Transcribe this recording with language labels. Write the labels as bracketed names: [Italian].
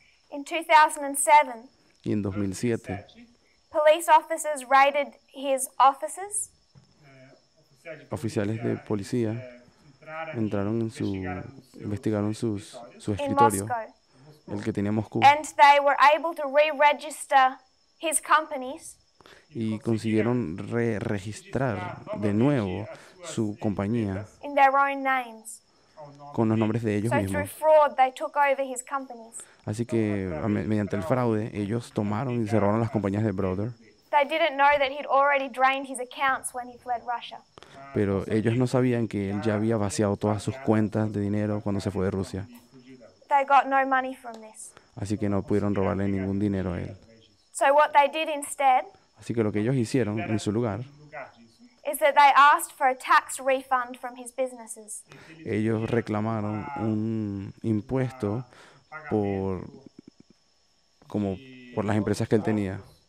[English] In 2007, [Spanish] y en 2007, [English] police officers raided his offices. [Spanish] oficiales de policía entraron en su, investigaron sus, su escritorio, el que tenía Moscú, [English] and they were able to re-register his companies. [Spanish] Y consiguieron re-registrar de nuevo su compañía [English] in their own names. [Spanish] Con los nombres de ellos [English] so [Spanish] mismos. [English] Fraud, they took over his companies. [Spanish] Así que mediante el fraude, ellos tomaron y cerraron las compañías de Brother. [English] They didn't know that he'd already drained his accounts when he fled Russia. [Spanish] Pero ellos no sabían que él ya había vaciado todas sus cuentas de dinero cuando se fue de Rusia. [English] They got no money from this. [Spanish] Así que no pudieron robarle ningún dinero a él. [English] So what they did instead, [Spanish] así que lo que ellos hicieron en su lugar, [English] is that they asked for a tax refund from his businesses. [Spanish] Ellos reclamaron un impuesto por, como por las empresas que él tenía.